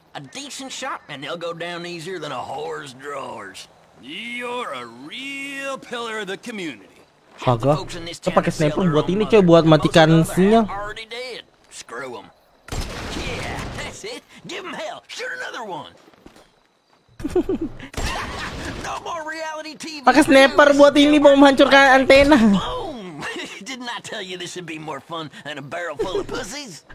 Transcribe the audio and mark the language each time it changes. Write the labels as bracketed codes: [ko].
[en] A decent shot and they'll go down easier than a whore's drawers. You're a real pillar of the community. [id] Kagak. Pakai sniper buat ini coy, buat matikan sinyal. [en] Screw them. Yeah, that's it. Give them hell. Shoot another one. No more reality TV. [id] Pakai sniper buat ini mau menghancurkan antena. [en] Didn't I tell you this would be more fun than a barrel full of pussies?